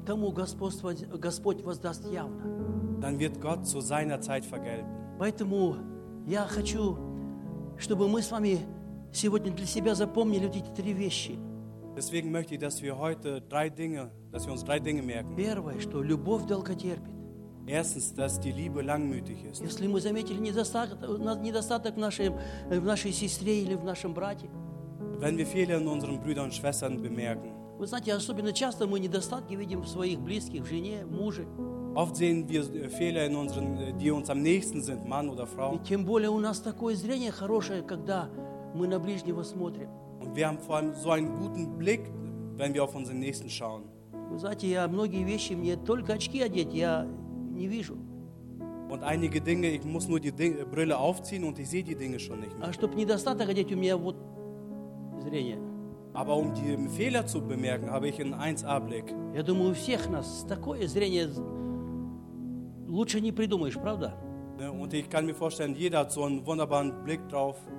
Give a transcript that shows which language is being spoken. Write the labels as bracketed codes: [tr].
[ru] тому Господь воздаст явно. [de] Dann wird Gott zu seiner Zeit vergelten. [ru] Поэтому я хочу, чтобы мы с вами сегодня для себя запомнили вот эти три вещи. [de] Deswegen möchte ich, dass wir heute drei Dinge, dass wir uns drei Dinge merken. [ru] Первое, что любовь долготерпит. [de] Erstens, dass die Liebe langmütig ist. [ru] Если мы заметили недостаток в нашей сестре или в нашем брате, [de] wenn wir Fehler in unseren Brüdern und Schwestern bemerken, [ru] вы знаете, особенно часто мы недостатки видим в своих близких, в жене, в муже. [de] Oft sehen wir Fehler in unseren, die uns am nächsten sind, Mann oder Frau. [ru] И тем более у нас такое зрение хорошее, когда мы на ближнего смотрим. [de] Und wir haben vor allem so einen guten Blick, wenn wir auf unseren Nächsten schauen. [ru] Вы знаете, я многие вещи мне только очки одеть, я не вижу. [de] Und einige Dinge, ich muss nur die Brille aufziehen und ich sehe die Dinge schon nicht mehr. [ru] А чтобы недостаток одеть, у меня вот зрение. [de] Aber die Fehler zu bemerken, habe ich einen 1A-Blick. [ru] Я думаю, у всех нас такое зрение лучше не придумаешь, правда? [de] Und ich kann mir vorstellen, jeder hat so einen wunderbaren Blick drauf,